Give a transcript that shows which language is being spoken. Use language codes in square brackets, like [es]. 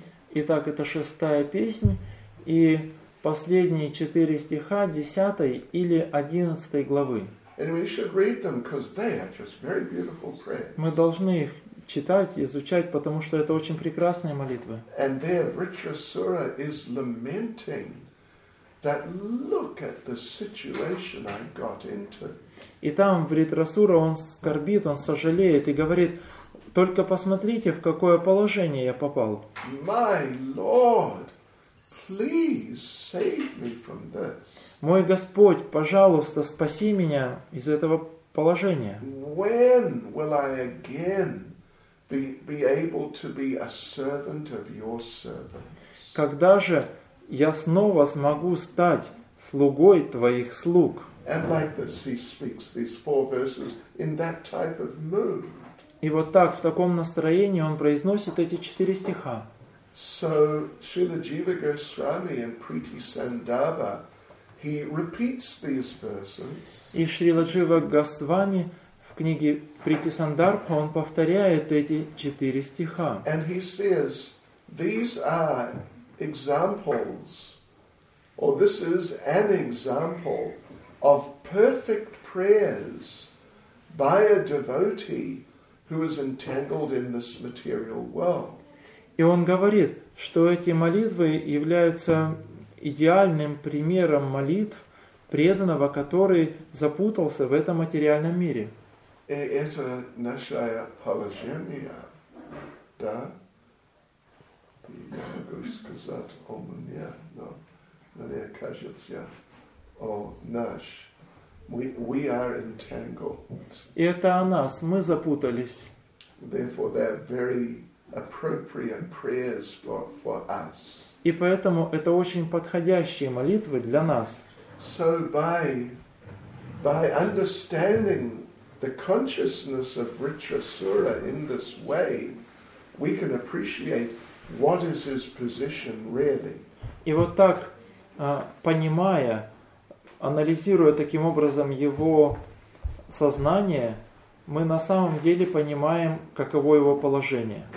[ru] Итак, это шестая песнь, и последние 4 стиха 10 или 11 главы. [en] And we should read them, because they are just very beautiful prayers. [ru] Мы должны их читать, изучать, потому что это очень прекрасные молитвы. [en] And there Vritrasura is lamenting that look at the situation I got into. [ru] И там Вритрасура, он скорбит, он сожалеет и говорит, только посмотрите, в какое положение я попал. [en] My Lord, please save me from this. [ru] Мой Господь, пожалуйста, спаси меня из этого положения. [en] When will I again be able to be a servant of your servants? [ru] Когда же я снова смогу стать слугой твоих слуг? [en] And like this, he speaks these four verses in that type of mood. [ru] И вот так, в таком настроении, он произносит эти четыре стиха. [en] So, Srila Jiva Goswami and Preeti Sandava, he repeats these verses. [ru] И Шрила Джива Госвами в книге Прити Сандарбха, он повторяет эти четыре стиха. [en] And he says, these are examples, or this is an example of perfect prayers by a devotee who is entangled in this material world. [ru] И он говорит, что эти молитвы являются идеальным примером молитв преданного, который запутался в этом материальном мире. И это наше положение, да? Я могу сказать о мне, но мне кажется, о наш. [en] We are entangled. [ru] И это о нас, мы запутались. [en] Therefore, they are very appropriate prayers for us. [ru] И поэтому это очень подходящие молитвы для нас. [en] So by understanding the consciousness of Ritrasura in this way, we can appreciate what is his position really. [ru] И вот так, понимая, анализируя таким образом его сознание, мы на самом деле понимаем, каково его положение.